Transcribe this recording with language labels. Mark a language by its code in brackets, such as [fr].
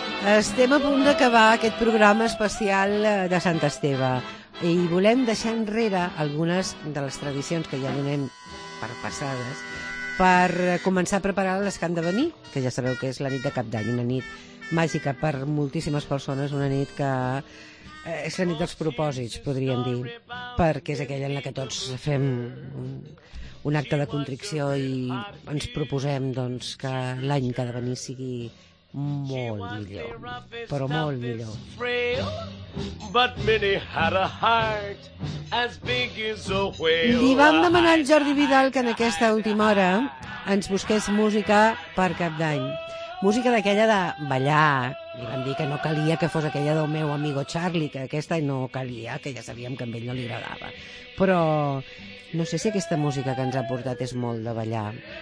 [ca] Estem a punt d'acabar aquest programa especial de Sant Esteve i volem deixar enrere algunes de les tradicions que ja donem per passades per començar a preparar les que han de venir, que ja sabeu que és la nit de Cap d'Any, una nit màgica per moltíssimes persones, una nit que és la nit dels propòsits, podríem dir, perquè és aquella en la que tots fem un acte de contrició i ens proposem, doncs, que l'any que ha de venir sigui molt millor, però molt millor. [en] But Minnie had a heart as big as a whale. [ca] Li vam demanar al Jordi Vidal que en aquesta última hora ens busqués música per Cap d'Any. Música d'aquella de ballar, Li van dir que no calia que fos aquella del meu amigo Charlie, que aquesta no calia, que ja sabíem que a ell no li agradava. Però no sé si aquesta música que ens ha portat és molt de ballar.